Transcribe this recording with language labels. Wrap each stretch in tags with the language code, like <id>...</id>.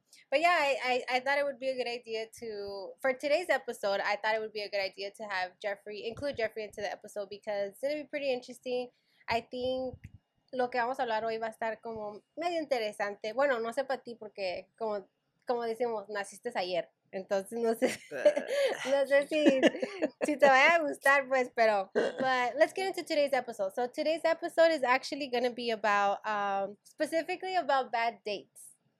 <en>But yeah, I thought it would be a good idea to, for today's episode, I thought it would be a good idea to have include Jeffrey into the episode because it's going to be pretty interesting. I think</en> <es>lo que vamos a hablar hoy va a estar como medio interesante. Bueno, no sé para ti porque, como decimos, naciste ayer. Entonces, no sé si te vaya a gustar, pues, pero.</es> <en>But let's get into today's episode. So today's episode is actually going to be about, specifically about bad dates.</en>